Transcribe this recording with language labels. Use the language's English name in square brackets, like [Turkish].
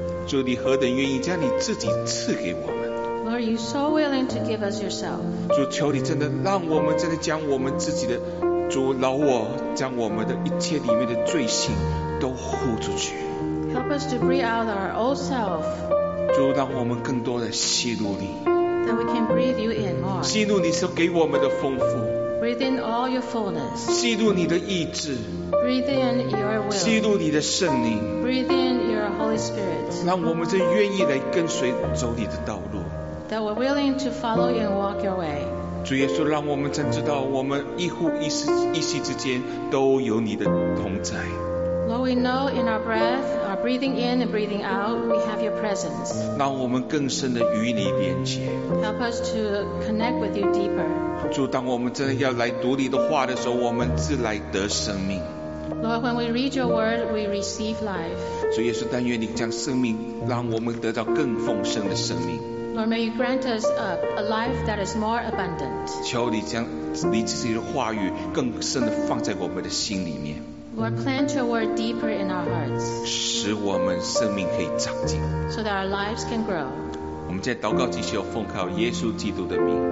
[Chinese] 主，你何等愿意将你自己赐给我们 [English] ？Lord, you so willing to give us yourself. [Chinese] 主，求你真的让我们真的将我们自己的主老我，将我们的一切里面的罪性都呼出去。 [English] Help us to breathe out our old self. [Chinese] 主，让我们更多的吸入你 [English] ，that we can breathe you in more. [Chinese] 吸入你所给我们的丰富 [English] ，breathe in all your fullness. [Chinese] 吸入你的意志。 [English] Breathe in your will. [Chinese] 吸入你的圣灵。 [English] Breathe in your Holy Spirit. [Chinese] 让我们真愿意来跟随走你的道路。 [English] That we're willing to follow you and walk your way. [Chinese] 主耶稣，让我们真知道，我们一呼一吸一息之间都有你的同在。 [English] Lord, we know in our breath, our breathing in and breathing out, we have your presence. [Chinese] 让我们更深的与你连接。 [English] Help us to connect with you deeper. [Chinese] 主，当我们真的要来读你的话的时候，我们自来得生命。 [English] Lord, when we read your word, we receive life. [Chinese] 主耶稣，但愿你将生命让我们得到更丰盛的生命。 [English] Lord, may you grant us a life that is more abundant. [Chinese] 求你将你自己的话语更深地放在我们的心里面。 [English] Lord, plant your word deeper in our hearts. [Chinese] 使我们生命可以长进。 [English] So that our lives can grow. [Chinese] 我们在祷告之前，奉靠耶稣基督的名。